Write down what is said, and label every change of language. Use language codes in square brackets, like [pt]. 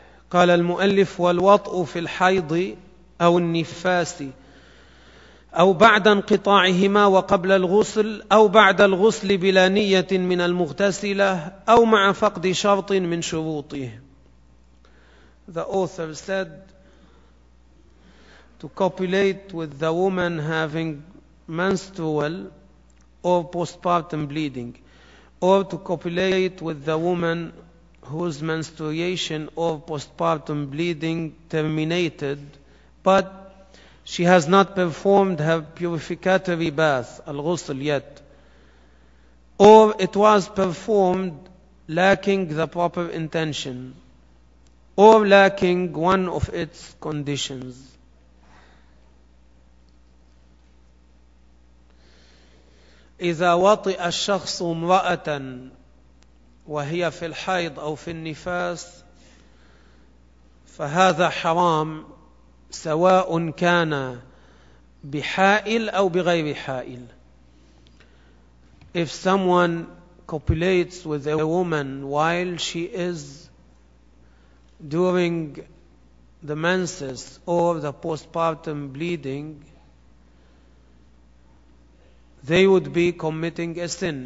[ar] قال المؤلف والوطء في الحيض أو النفاس أو بعد انقطاعهما وقبل الغسل أو بعد الغسل بلا نية من المغتسلة أو مع فقد شرط من شروطه. [en] The author said to copulate with the woman having menstrual or postpartum bleeding, or to copulate with the woman whose menstruation or postpartum bleeding terminated, but she has not performed her purificatory bath, al-ghusl, yet, or it was performed lacking the proper intention, or lacking one of its conditions. [ar] إذا وطئ الشخص امرأة وهي في الحيض أو في النفاس فهذا حرام سواء كان بحائل أو بغير حائل. [en] If someone copulates with a woman while she is during the menses or the postpartum bleeding, they would be committing a sin.